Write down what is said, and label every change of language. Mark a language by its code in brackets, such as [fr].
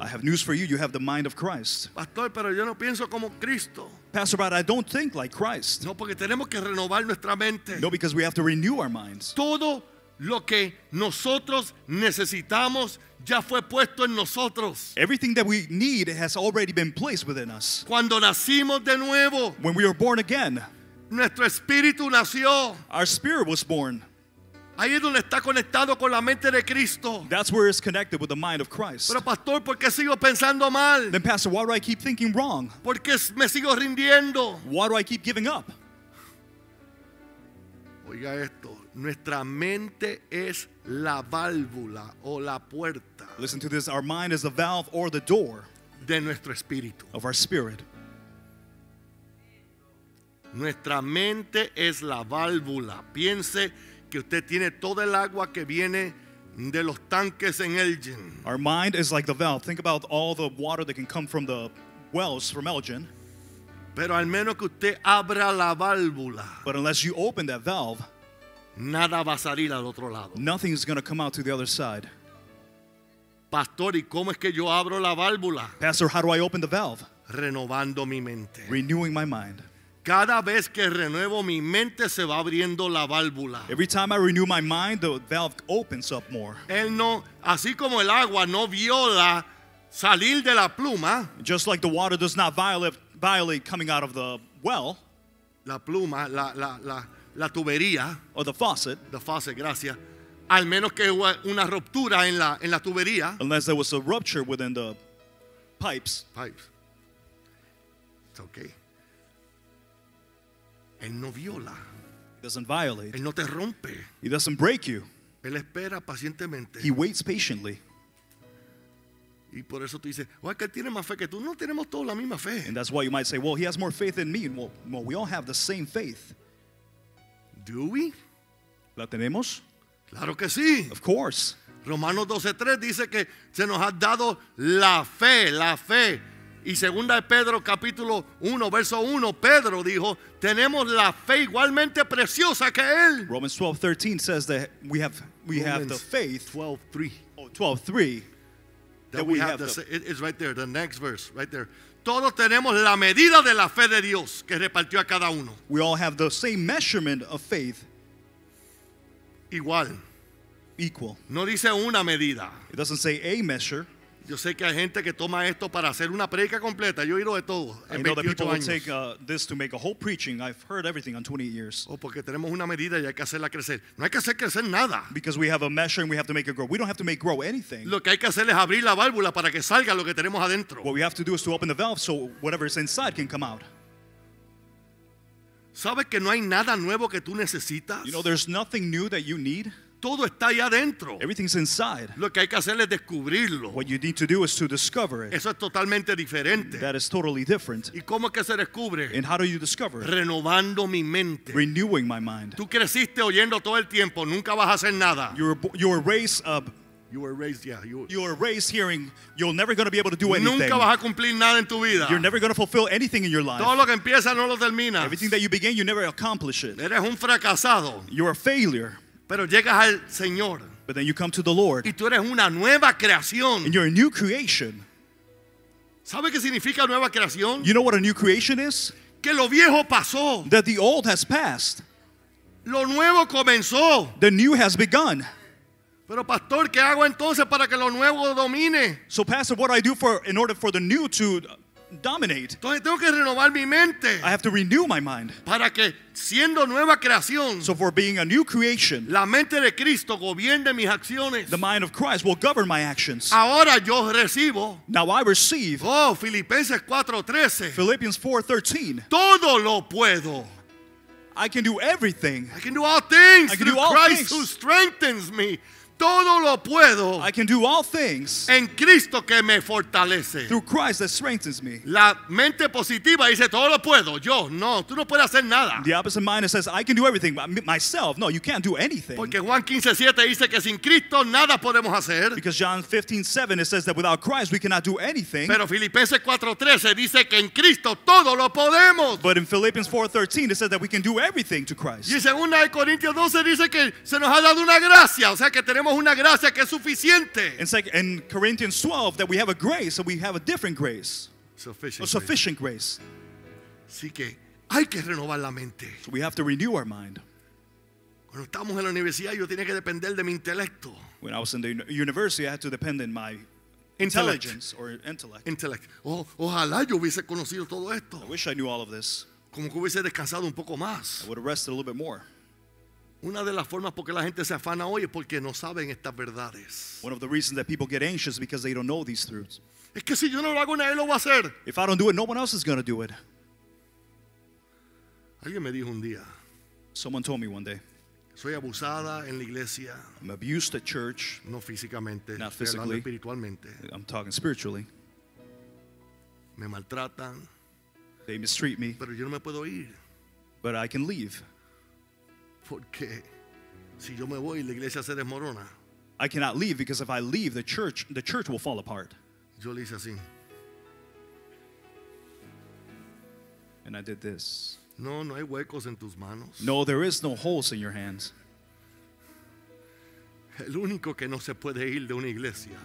[en] I have news for you. You have the mind of Christ. [es] Pastor, pero yo no pienso como Cristo. [en] Pastor, but I don't think like Christ. [es] No, porque tenemos que renovar nuestra mente. [en] No, because we have to renew our minds. [es] Todo lo que nosotros necesitamos ya fue puesto en nosotros. [en] Everything that we need has already been placed within us. [es] Cuando nacimos de nuevo. [en] When we were born again. [es] Nuestro espíritu nació. [en] Our spirit was born. [es] Ahí es donde está conectado con la mente de Cristo. [en] That's where it's connected with the mind of Christ. [es] Pero pastor, ¿por qué sigo pensando mal? [en] Then pastor, why do I keep thinking wrong? [es] ¿Por qué me sigo rindiendo? [en] Why do I keep giving up? [es] Oiga esto, nuestra mente es la válvula o la puerta. [en] Listen to this, our mind is the valve or the door. [es] De nuestro espíritu. [en] Of our spirit. [es] Nuestra mente es la válvula. Piense que usted tiene toda el agua que viene de los tanques en Elgin. [en] Our mind is like the valve. Think about all the water that can come from the wells from Elgin. [es] Pero al menos que usted abra la válvula. [en] But unless you open that valve, [es] nada va a salir al otro lado. [en] Nothing is going to come out to the other side. [es] Pastor, ¿y cómo es que yo abro la válvula? [en] Pastor, how do I open the valve? [es] Renovando mi mente. [en] Renewing my mind. [es] Cada vez que renuevo mi mente se va abriendo la válvula. [en] Every time I renew my mind, the valve opens up more. [es] Él no, así como el agua no viola salir de la pluma. [en] Just like the water does not violate coming out of the well. [es] La pluma, la tubería. [en] Or the faucet. The faucet, [es] gracias. Al menos que hubo una ruptura en la tubería. [en] Unless there was a rupture within the pipes. Pipes. It's okay. [es] Él no viola. [en] He doesn't violate. [es] Él no te rompe. [en] He doesn't break you. [es] Él espera pacientemente. [en] He waits patiently. [es] Y por eso tú dices, well, que él tiene más fe que tú. No tenemos todos la misma fe. [en] And that's why you might say, well, he has more faith than me. Well, we all have the same faith. Do we? [es] ¿La tenemos? Claro que sí. [en] Of course. [es] Romanos 12:3 dice que se nos ha dado la fe. Y segunda de Pedro capítulo 1 verso 1 Pedro dijo tenemos la fe igualmente preciosa que él. [en] Romans 12:13 says that we have the faith. 12:3 that we have the it's right there, the next verse right there. [es] Todos tenemos la medida de la fe de Dios que repartió a cada uno. [en] We all have the same measurement of faith. [es] Igual. [en] Equal. [es] No dice una medida. [en] It doesn't say a measure. [es] Yo sé que hay gente que toma esto para hacer una predica completa. Yo he oído de todo en 28 [en] años. I know that people will take this to make a whole preaching. I've heard everything on 28 years. [es] Oh, porque tenemos una medida y hay que hacerla crecer. No hay que hacer crecer nada. [en] Because we have a measure and we have to make it grow. We don't have to make grow anything. [es] Lo que hay que hacer es abrir la válvula para que salga lo que tenemos adentro. [en] What we have to do is to open the valve so whatever is inside can come out. [es] ¿Sabes que no hay nada nuevo que tú necesitas? [en] You know, there's nothing new that you need. [es] Todo está ahí adentro. [en] Everything's inside. [es] Lo que hay que hacer es descubrirlo. [en] What you need to do is to discover it. [es] Eso es totalmente diferente. [en] That is totally different. [es] ¿Y cómo es que se descubre? [en] And how do you discover it? [es] Renovando mi mente. [en] Renewing my mind. [es] Tú creciste oyendo todo el tiempo. Nunca vas a hacer nada. [en] You were raised hearing you're never going to be able to do anything. [es] Nunca vas a cumplir nada en tu vida. [en] You're never going to fulfill anything in your life. [es] Todo lo que empieza, no lo termina. [en] Everything that you begin, you never accomplish it. [es] Eres un fracasado. [en] You're a failure. [es] Pero llegas al Señor. [en] But then you come to the Lord. [es] Y tú eres una nueva creación. [en] And you're a new creation. [es] ¿Sabe qué significa nueva creación? [en] You know what a new creation is? [es] Que lo viejo pasó. [en] That the old has passed. [es] Lo nuevo comenzó. [en] The new has begun. [es] Pero pastor, ¿qué hago entonces para que lo nuevo domine? [en] So pastor, what do I do in order for the new to dominate? [es] Entonces tengo que renovar mi mente. [en] I have to renew my mind. [es] Para que siendo nueva creación. [en] So for being a new creation. [es] La mente de Cristo gobierne mis acciones. [en] The mind of Christ will govern my actions. [es] Ahora yo recibo. [en] Now I receive. [es] Oh, Filipenses 4:13. [en] Philippians 4:13. [es] Todo lo puedo. [en] I can do everything. I can do all things through Christ who strengthens me. [es] Todo lo puedo. [en] I can do all things. [es] En Cristo que me fortalece. [en] Through Christ that strengthens me. [es] La mente positiva dice todo lo puedo. Yo no, tú no puedes hacer nada. [en] The opposite mind says I can do everything myself. No, you can't do anything. [es] Porque Juan 15:7 dice que sin Cristo nada podemos hacer. [en] Because John 15:7 it says that without Christ we cannot do anything. [es] Pero Filipenses 4:13 dice que en Cristo todo lo podemos. [en] But in Philippians 4:13 it says that we can do everything to Christ. [es] Y segunda de Corintios 12 dice que se nos ha dado una gracia, o sea que tenemos una gracia que es suficiente. [en] In Corinthians 12 that we have a grace, so we have a different grace. Sufficient grace. [es] Así que hay que renovar la mente. [en] So we have to renew our mind. [es] Cuando estamos en la universidad yo tenía que depender de mi intelecto. [en] When I was in the university I had to depend on my intelligence or intellect. [es] Intellect. Oh, ojalá yo hubiese conocido todo esto. [en] I wish I knew all of this. [es] Como que hubiese descansado un poco más. [en] I would have rested a little bit more. [es] Una de las formas por qué la gente se afana hoy es porque no saben estas verdades. [en] One of the reasons that people get anxious is because they don't know these truths. [es] Es que si yo no lo hago, nadie lo va a hacer. [en] If I don't do it, no one else is going to do it. [es] Alguien me dijo un día. [en] Someone told me one day. [es] Soy abusada en la iglesia. [en] I'm abused at church. [es] No físicamente. [en] Not physically. [es] Espiritualmente. [en] I'm talking spiritually. [es] Me maltratan. [en] They mistreat me. [es] Pero yo no me puedo ir. [en] But I can leave. [es] Porque si yo me voy, la iglesia se desmorona. [en] I cannot leave because if I leave, the church will fall apart. [es] Yo le hice así. [en] And I did this. [es] No, no hay huecos en tus manos. [en] No, there is no holes in your hands. [es] El único que no se puede ir de una iglesia.